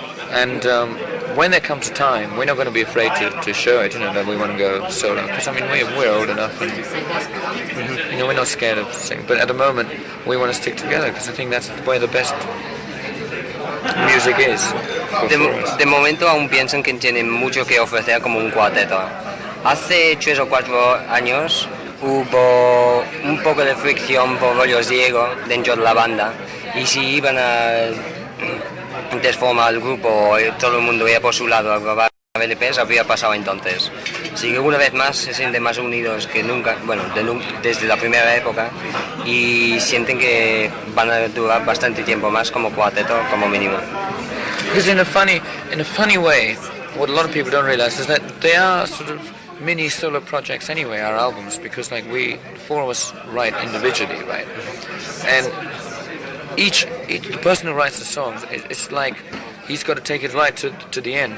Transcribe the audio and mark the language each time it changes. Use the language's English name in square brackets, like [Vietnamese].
[English] And when there comes a time, we're not going to be afraid to show it, you know, that we want to go solo. Because, I mean, we're old enough, and, you know, we're not scared of things. But at the moment, we want to stick together, because I think that's where the best music is. [Spanish] De momento aún piensan que tienen mucho que ofrecer como un cuarteto. Hace 3 o 4 años hubo un poco de fricción por rollos de ego dentro de la banda. Y si iban a... desforma el grupo y todo el mundo iba por su lado a grabar LPs, había pasado entonces. Así que una vez más se sienten más unidos que nunca, bueno, desde la primera época, y sienten que van a durar bastante tiempo más como cuarteto, como mínimo. [English] Because in a funny way, what a lot of people don't realize is that they are sort of mini solo projects anyway, our albums, because like we, the four of us write individually, right? And Each the person who writes the songs, it's like he's got to take it right to the end.